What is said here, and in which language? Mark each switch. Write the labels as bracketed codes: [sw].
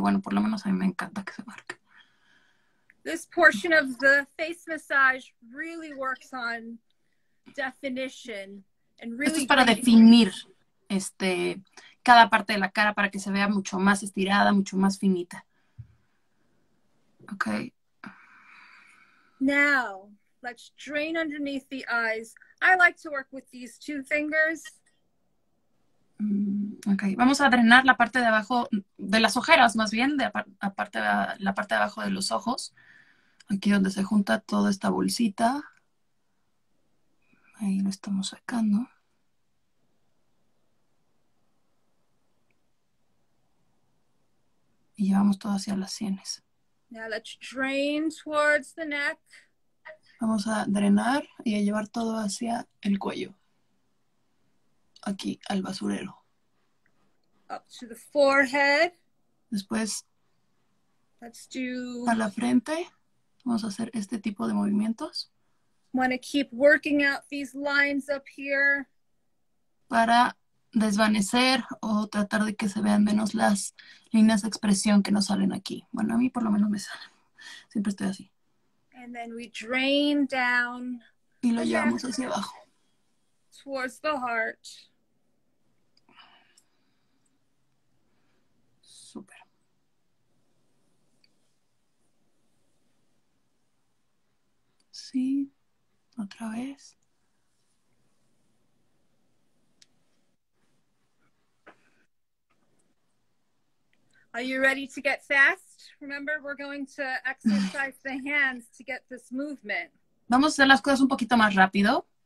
[es] Bueno, por lo menos a mí me encanta que se marque. [en] This portion of the face massage really works on definition and really. [es] Esto es para definir cada parte de la cara para que se vea mucho más estirada, mucho más finita. [en] Okay. Now, let's drain underneath the eyes. I like to work with these two fingers. [es] Okay, vamos a drenar la parte de abajo de las ojeras, más bien la parte de abajo de los ojos, aquí donde se junta toda esta bolsita. Ahí lo estamos sacando. Y llevamos todo hacia las sienes. [en] Now let's drain towards the neck. [es] Vamos a drenar y a llevar todo hacia el cuello. Aquí al basurero. [en] Up to the forehead. [es] Después, [en] let's do [es] a la frente. Vamos a hacer este tipo de movimientos. [en] Want to keep working out these lines up here. [es] Para desvanecer o tratar de que se vean menos las líneas de expresión que no salen aquí. Bueno, a mí por lo menos me salen. Siempre estoy así. [en] And then we drain down. [es] Y lo llevamos hacia abajo. [en] Towards the heart. [es] Super. Sí, otra vez. [en] Are you ready to get fast? Remember, we're going to exercise the hands to get this movement. [es] Vamos a hacer las cosas un poquito más rápido.